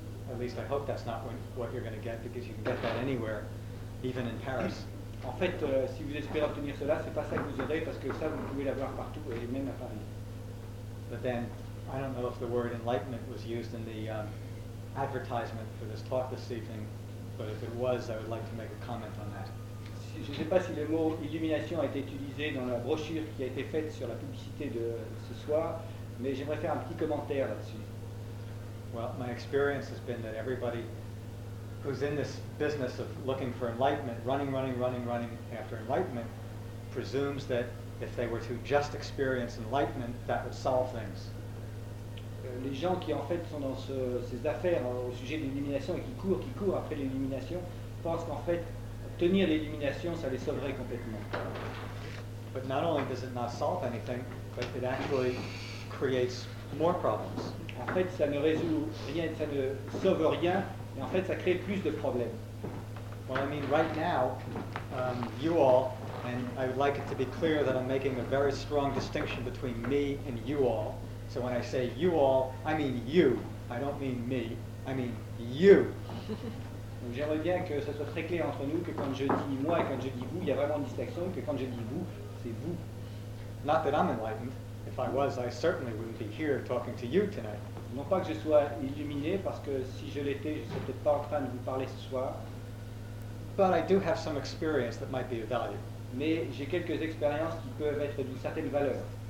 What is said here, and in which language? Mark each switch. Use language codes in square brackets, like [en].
[en] At least I hope that's not what you're going to get, because you can get that anywhere, even in Paris. [fr] En fait, si vous espérez obtenir cela, c'est pas ça que vous aurez, parce que ça, vous pouvez l'avoir partout, et même à Paris. [en] But then, I don't know if the word enlightenment was used in the advertisement for this talk this evening, but if it was, I would like to make a comment on that. [fr] Je ne sais pas si le mot illumination a été utilisé dans la brochure qui a été faite sur la publicité de ce soir, mais j'aimerais faire un petit commentaire là-dessus. [en] Well, my experience has been that everybody who's in this business of looking for enlightenment, running after enlightenment, presumes that if they were to just experience enlightenment, that would solve things. [fr] Les gens qui en fait sont dans ces affaires au sujet de l'illumination et qui courent après l'illumination, pensent qu'en fait obtenir l'illumination, ça les sauverait complètement. [en] But not only does it not solve anything, but it actually creates more problems. [fr] En fait, ça ne résout rien, ça ne sauve rien, mais en fait, ça crée plus de problèmes. [en] Well, I mean, right now, you all, and I would like it to be clear that I'm making a very strong distinction between me and you all. So when I say you all, I mean you. I don't mean me. I mean you. [fr] Donc j'aimerais bien que ça soit très clair entre nous que quand je dis moi et quand je dis vous, il y a vraiment une distinction, que quand je dis vous, c'est vous. [en] Not that I'm enlightened. If I was, I certainly wouldn't be here talking to you tonight. [fr] Non pas que je sois illuminé, parce que si je l'étais, je serais peut-être pas en train de vous parler ce soir. [en] But I do have some experience that might be of value. [fr] Mais j'ai quelques expériences qui peuvent être d'une certaine valeur.